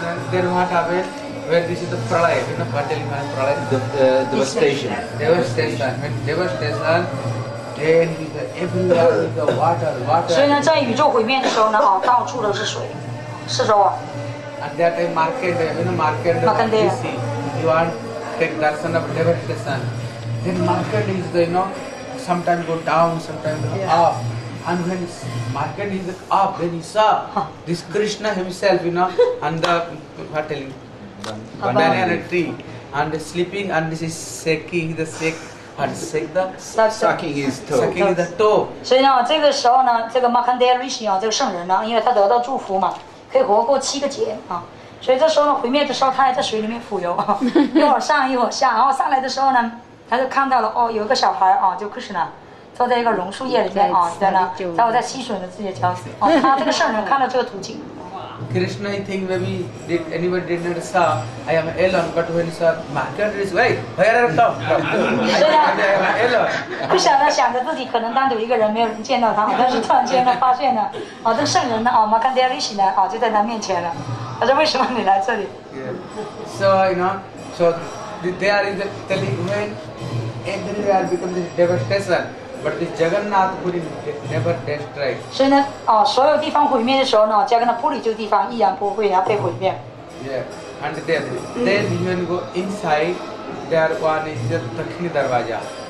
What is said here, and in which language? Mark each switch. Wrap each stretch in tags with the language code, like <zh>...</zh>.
<en>Then what happened? Where this is the pralaya, you know, Patelima pralaya? Devastation. Then everywhere is the water.</en> <zh>所以呢，在宇宙毁灭的时候呢，哦，到处都是水，四周啊。</zh> <en>And that time market, you know, market, you want take darshan of devastation. Then market is, the, you know, sometimes go down, sometimes go up. And when market is up, then you saw this Krishna himself, you know, and the Patelima. Banana tree and sleeping and this is shaking the sick and sick the sucking his toe. Sucking the toe.</en> <zh>所以呢，这个时候呢，这个 Makandeya Rishi 啊，这个圣人呢，因为他得到祝福嘛，可以活过七个劫啊。所以这时候呢，毁灭的时候，他还在水里面浮游，一会儿上一会儿下。然后上来的时候呢，他就看到了哦，有一个小孩啊，就 Krishna 坐在一个榕树叶里面啊，在那，在我在吸吮着自己的脚趾。哦，他这个圣人看到这个图景。</zh> <en>Krishna, I think maybe did anybody did not saw. I am alone, but when saw market is why? Where are you from? I am alone.</en> <zh>不晓得想着自己可能单独一个人，没有人见到他，但是突然间呢，发现呢，哦，这圣人呢，哦，马坎迪亚利西呢，哦，就在他面前了。他说：“为什么你来这里？”</zh> <en>So you know, so they are in the telling when everything has become this devastation. But this Jagannath Puri never destroyed.</en> <zh>所以呢，哦，所有地方毁灭的时候呢，Jagannath Puri这个地方依然不会要被毁灭。</zh> <en>Yeah, and then if you go inside, there one is the Dakshini Darwaja.</en>